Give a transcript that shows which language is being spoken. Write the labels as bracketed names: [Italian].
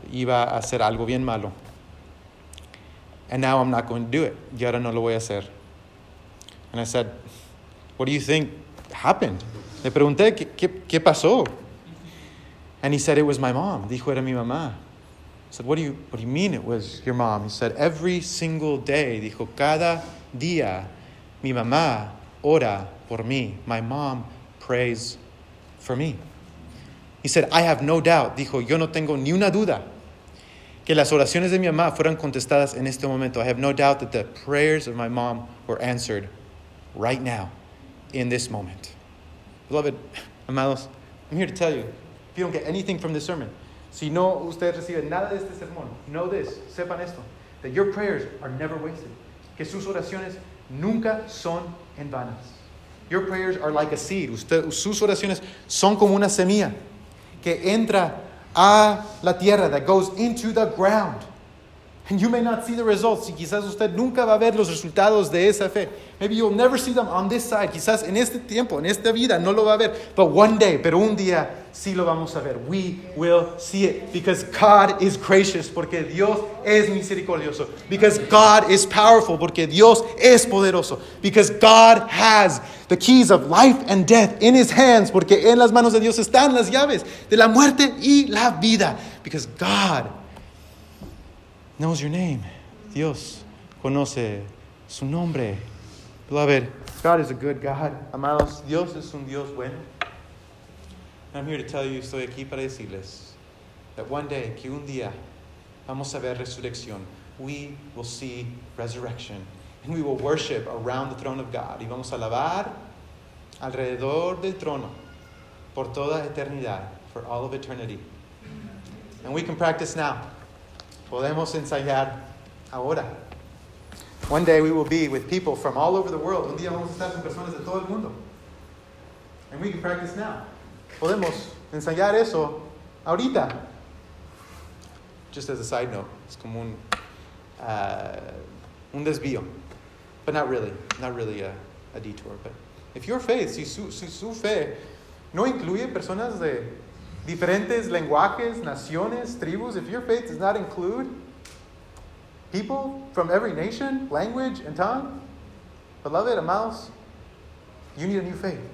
[Spanish] Iba a hacer algo bien malo. [English] And now I'm not going to do it. [Spanish] Y ahora no lo voy a hacer. [English] And I said, what do you think happened? [Spanish] Le pregunté, ¿qué pasó? [English] And he said, it was my mom. [Spanish] Dijo, era mi mamá. [English] I said, what do you mean it was your mom? He said, every single day, [Spanish] dijo, cada día, mi mamá ora por mí. [English] My mom prays for me. He said, I have no doubt. [Spanish] Dijo, yo no tengo ni una duda que las oraciones de mi mamá fueron contestadas en este momento. [English] I have no doubt that the prayers of my mom were answered right now, in this moment. Beloved, amados, I'm here to tell you, if you don't get anything from this sermon, [Spanish] si no usted recibe nada de este sermón, [English] know this, [Spanish] sepan esto, [English] that your prayers are never wasted. [Spanish] Que sus oraciones nunca son en vanas. [English] Your prayers are like a seed. [Spanish] Sus oraciones son como una semilla que entra a la tierra, [English] that goes into the ground. And you may not see the results. [Spanish] Y quizás usted nunca va a ver los resultados de esa fe. [English] Maybe you'll never see them on this side. [Spanish] Quizás en este tiempo, en esta vida, no lo va a ver. [English] But one day, [Spanish] pero un día, sí lo vamos a ver. [English] We will see it. Because God is gracious. [Spanish] Porque Dios es misericordioso. [English] Because God is powerful. [Spanish] Porque Dios es poderoso. [English] Because God has the keys of life and death in his hands. [Spanish] Porque en las manos de Dios están las llaves de la muerte y la vida. [English] Because God knows your name. [Spanish] Dios conoce su nombre. Beloved, [English] God is a good God. [Spanish] Amados, Dios es un Dios bueno. [English] And I'm here to tell you, [Spanish] estoy aquí para decirles [English] that one day, [Spanish] que un día, vamos a ver resurrección. [English] We will see resurrection. And we will worship around the throne of God. [Spanish] Y vamos a alabar alrededor del trono por toda eternidad, [English] for all of eternity. And we can practice now. [Spanish] Podemos ensayar ahora. [English] One day we will be with people from all over the world. [Spanish] Un día vamos a estar con personas de todo el mundo. [English] And we can practice now. [Spanish] Podemos ensayar eso ahorita. [English] Just as a side note, it's [Spanish] como un desvío. [English] But not really. Not really a detour. But if your faith, [Spanish] si su fe no incluye personas de diferentes lenguajes, naciones, tribus, [English] if your faith does not include people from every nation, language, and tongue, beloved, amados, you need a new faith.